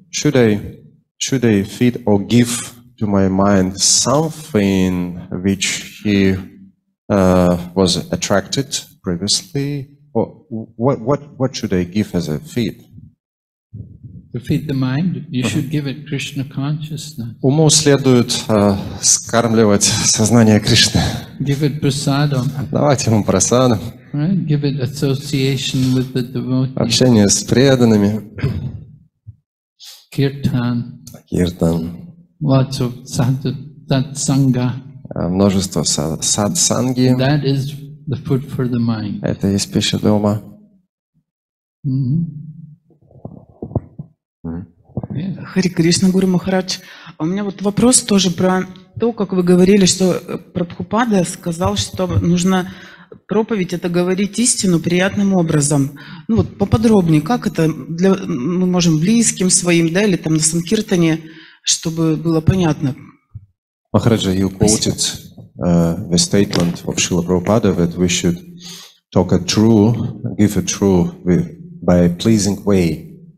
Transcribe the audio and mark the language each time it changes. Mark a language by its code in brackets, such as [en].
[en] Should I feed or give to my mind something which he was attracted previously? Or what should I give as a feed? To feed the mind, you should give it Krishna consciousness. [ru] Уму следует скармливать сознание Кришны. [en] Give it prasadam. [ru] Давать ему прасаду. [en] Right? Give it association with the devotees. [ru] Общение с преданными. [en] Kirtan. Kirtan. Lots of satsanga. [ru] Множество сатсанги. [en] That is the food for the mind. [ru] Это есть пища для ума. Хари Кришна, Гуру Махарадж. У меня вот вопрос тоже про то, как вы говорили, что Прабхупада сказал, что нужно проповедь — это говорить истину приятным образом. Ну вот поподробнее, как это для, мы можем близким своим, да, или там на санкиртане, чтобы было понятно. [en] Махараджа, you quoted the statement of Srila Prabhupada that we should talk a true, give a true with, by a pleasing way.